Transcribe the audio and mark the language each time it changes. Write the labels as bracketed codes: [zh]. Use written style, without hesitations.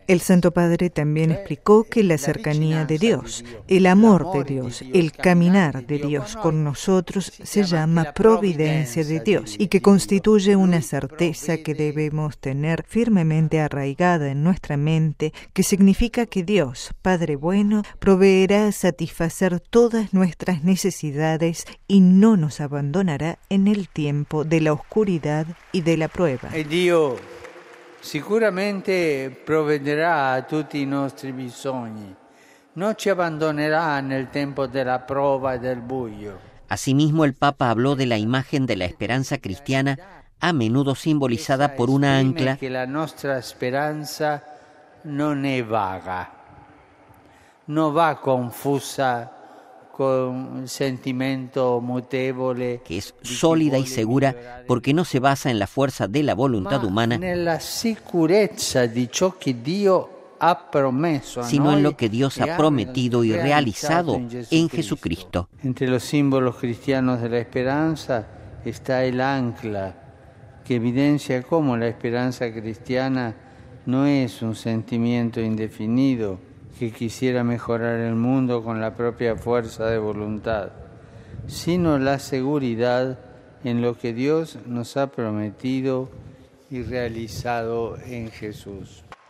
[es] El Santo Padre también explicó que la cercanía de Dios, el amor de Dios, el caminar de Dios con nosotros se llama providencia de Dios y que constituye una certeza que debemos tener firmemente arraigada en nuestra mente, que significa que Dios, Padre bueno, proveerá satisfacer todas nuestras necesidades y no nos abandonará en el tiempo de la oscuridad y de la prueba. [it] Sicuramente provvederà a tutti i nostri bisogni. Non ci abbandonerà nel tempo della prova e del buio. [es] Asimismo, el Papa habló de la imagen de la esperanza cristiana, a menudo simbolizada por una ancla. [it] Que la nostra speranza non è vaga, non va confusa con sentimiento mutevole, [es] que es sólida y segura porque no se basa en la fuerza de la voluntad humana, [it] nella sicurezza di ciò che Dio ha promesso, [es] sino en lo que Dios ha prometido y realizado en Jesucristo. Entre los símbolos cristianos de la esperanza está el ancla, que evidencia cómo la esperanza cristiana no es un sentimiento indefinido que quisiera mejorar el mundo con la propia fuerza de voluntad, sino la seguridad en lo que Dios nos ha prometido y realizado en Jesús.